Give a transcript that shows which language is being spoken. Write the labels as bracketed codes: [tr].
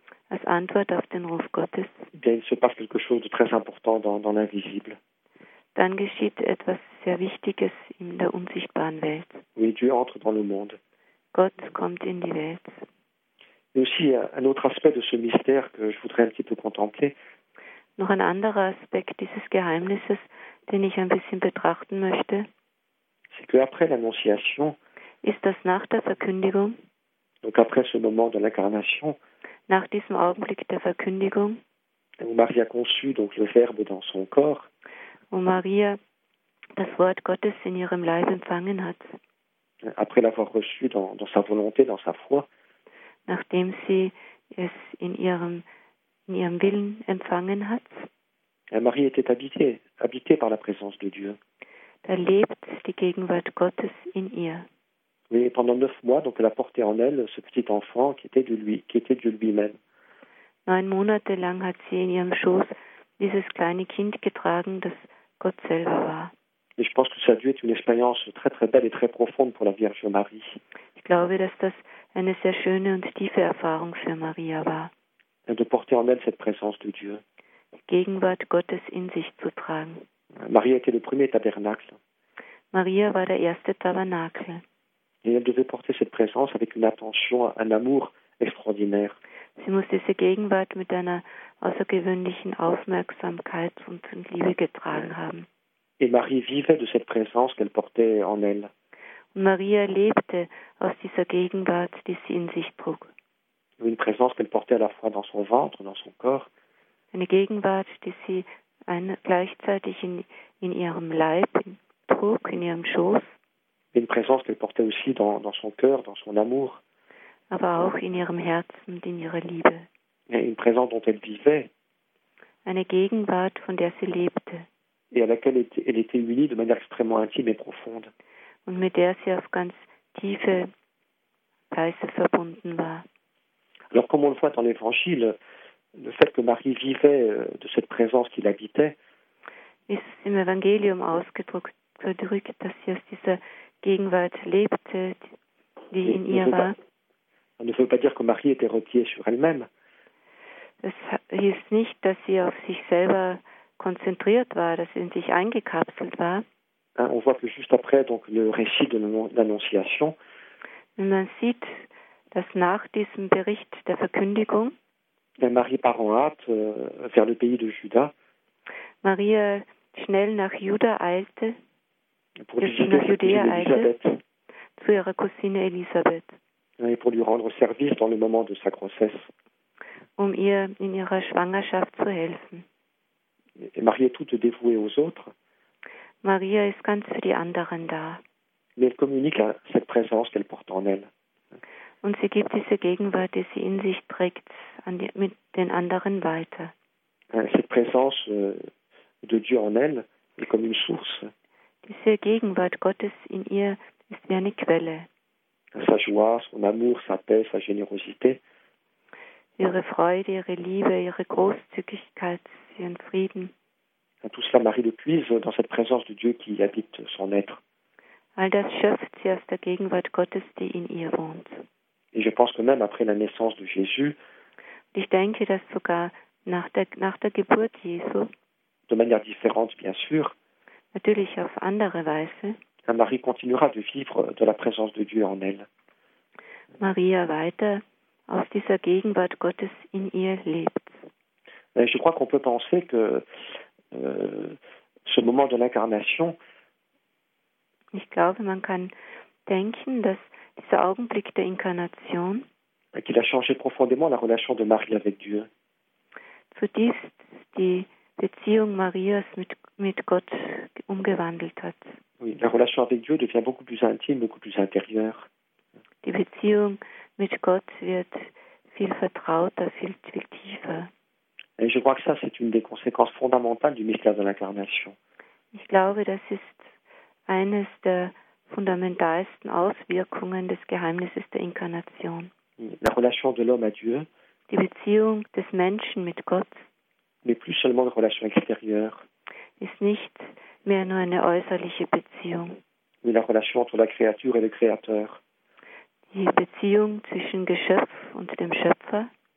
[de] als Antwort auf den Ruf Gottes, [fr] bien, il se passe quelque chose de très important dans l'invisible. [de] Dann geschieht etwas sehr Wichtiges in der unsichtbaren Welt. [fr] Oui, Dieu entre dans le monde. [de] Gott kommt in die Welt. [fr] Et aussi un autre aspect de ce mystère que je voudrais un petit peu contempler. [de] Noch ein anderer Aspekt dieses Geheimnisses, den ich ein bisschen betrachten möchte. [fr] C'est que après l'Annonciation, [de] ist das nach der Verkündigung, [fr] donc après ce moment de l'incarnation, [de] nach diesem Augenblick der Verkündigung, [fr] où Marie a conçu donc le Verbe dans son corps, [de] wo Maria das Wort Gottes in ihrem Leib empfangen hat, [fr] après l'avoir reçu dans sa volonté, dans sa foi, [de] nachdem sie es in ihrem Willen empfangen hat, [fr] Marie était habitée par la présence de Dieu. [de] Da lebt die Gegenwart Gottes in ihr. [fr] Oui, pendant 9 mois, donc elle a porté en elle ce petit enfant qui était Dieu lui-même. [de] 9 Monate lang hat sie in ihrem Schoß dieses kleine Kind getragen, das Gott selber war. [fr] Et je pense que ça a dû être une expérience très très belle et très profonde pour la Vierge Marie. [de] Ich glaube, dass das eine sehr schöne und tiefe Erfahrung für Maria war. [fr] Et de porter en elle cette présence de Dieu. [de] Die Gegenwart Gottes in sich zu tragen. [fr] Marie était le premier tabernacle. [de] Maria war der erste Tabernakel. [fr] Et elle devait porter cette présence avec une attention, un amour extraordinaire. [de] Sie musste diese Gegenwart mit einer außergewöhnlichen Aufmerksamkeit und Liebe getragen haben. [fr] Et Marie vivait de cette présence qu'elle portait en elle. [de] Und Maria lebte aus dieser Gegenwart, die sie in sich trug. [fr] Une présence qu'elle portait à la fois dans son ventre, dans son corps. [de] Eine Gegenwart, die sie gleichzeitig in ihrem Leib trug, in ihrem Schoß. [fr] Une présence qu'elle portait aussi dans son cœur, dans son amour. [de] Aber auch in ihrem Herzen und in ihrer Liebe. [fr] Et une présence dont elle vivait. [de] Eine Gegenwart, von der sie lebte. [fr] Et à laquelle elle était unie de manière extrêmement intime et profonde. [de] Und mit der sie auf ganz tiefe Weise verbunden war. [fr] Alors comme on le voit dans l'Évangile, le fait que Marie vivait de cette présence qui l'habitait, [de] ist im Evangelium ausgedrückt, dass sie aus dieser Gegenwart lebte, die in ihr war. [fr] On ne veut pas dire que Marie était repliée sur elle-même. [de] Es hieß nicht, dass sie auf sich selber konzentriert war, dass sie in sich eingekapselt war. [fr] On voit que juste après donc le récit de l'Annonciation, [de] man sieht, dass nach diesem Bericht der Verkündigung, [fr] Marie part en hâte vers le pays de Juda. [de] Maria schnell nach Juda eilte, [fr] pour visiter Judée Elisabeth, [de] zu ihrer Cousine Elisabeth. [fr] Et pour lui rendre service dans le moment de sa grossesse. [de] Um ihr in ihrer Schwangerschaft zu helfen. [fr] Et Marie est toute dévouée aux autres. [de] Maria ist ganz für die anderen da. [fr] Mais elle communique cette présence qu'elle porte en elle. [de] Und sie gibt diese Gegenwart, die sie in sich trägt, mit den anderen weiter. [fr] Cette présence de Dieu en elle est comme une source. [de] Diese Gegenwart Gottes in ihr ist wie eine Quelle. [fr] Sa joie, son amour, sa paix, sa générosité. [de] Ihre Freude, ihre Liebe, ihre Großzügigkeit, ihren Frieden. [fr] Tout cela, Marie le puise dans cette présence de Dieu qui habite son être. [de] All das schöpft sie aus der Gegenwart Gottes, die in ihr wohnt. [fr] Et je pense que même après la naissance de Jésus, [de] ich denke, dass sogar nach der Geburt Jesu, [fr] de manière différente, bien sûr, [de] natürlich auf andere Weise, [fr] Marie continuera de vivre de la présence de Dieu en elle. [de] Maria weiter aus dieser Gegenwart Gottes in ihr lebt. [fr] Et je crois qu'on peut penser que ce moment de l'incarnation, [de] ich glaube, man kann denken, dass dieser Augenblick der Inkarnation, [fr] qu'il a changé profondément la relation de Marie avec Dieu, [de] zutiefst die Beziehung Marias mit Gott umgewandelt hat. [fr] Oui, la relation avec Dieu devient beaucoup plus intime, beaucoup plus intérieure. [de] Die Beziehung mit Gott wird viel vertrauter, viel tiefer. [fr] Et je crois que ça, c'est une des conséquences fondamentales du mystère de l'incarnation. [de] Ich glaube, das ist eines der fundamentalsten Auswirkungen des Geheimnisses der Inkarnation. [fr] La relation de l'homme à Dieu. [de] Die Beziehung des Menschen mit Gott. [fr] Mais plus seulement une relation extérieure. [de] Ist nicht mehr nur eine äußerliche Beziehung. [fr] Mais la relation entre la créature et le créateur. [de] die Beziehung zwischen Geschöpf und dem Schöpfer,